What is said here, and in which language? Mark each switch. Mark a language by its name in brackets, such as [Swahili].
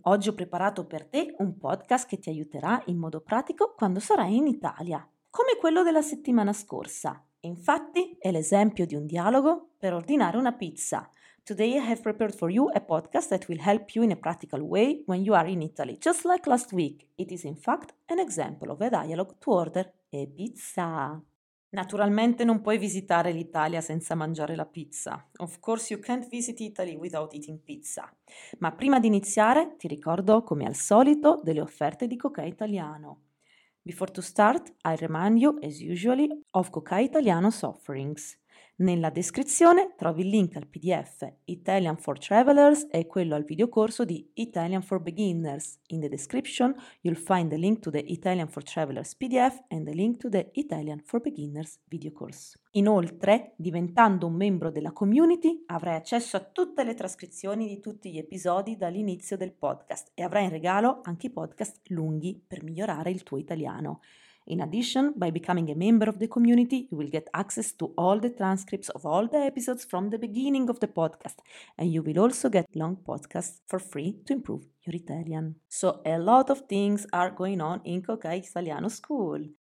[Italian] Oggi ho preparato per te un podcast che ti aiuterà in modo pratico quando sarai in Italia, come quello della settimana scorsa. Infatti, è l'esempio di un dialogo per ordinare una pizza. [English] Today I have prepared for you a podcast that will help you in a practical way when you are in Italy, just like last week. It is in fact an example of a dialogue to order a pizza. [Italian] Naturalmente non puoi visitare l'Italia senza mangiare la pizza. [English] Of course you can't visit Italy without eating pizza. [Italian] Ma prima di iniziare, ti ricordo, come al solito, delle offerte di Cocai Italiano. [English] Before to start, I remind you, as usually, of Cocai Italiano's offerings. [Italian] Nella descrizione trovi il link al PDF Italian for Travelers e quello al videocorso di Italian for Beginners. [English] In the description you'll find the link to the Italian for Travelers PDF and the link to the Italian for Beginners videocourse. [Italian] Inoltre, diventando un membro della community, avrai accesso a tutte le trascrizioni di tutti gli episodi dall'inizio del podcast e avrai in regalo anche i podcast lunghi per migliorare il tuo italiano. [English] In addition, by becoming a member of the community, you will get access to all the transcripts of all the episodes from the beginning of the podcast, and you will also get long podcasts for free to improve your Italian. So a lot of things are going on in Cocai Italiano School.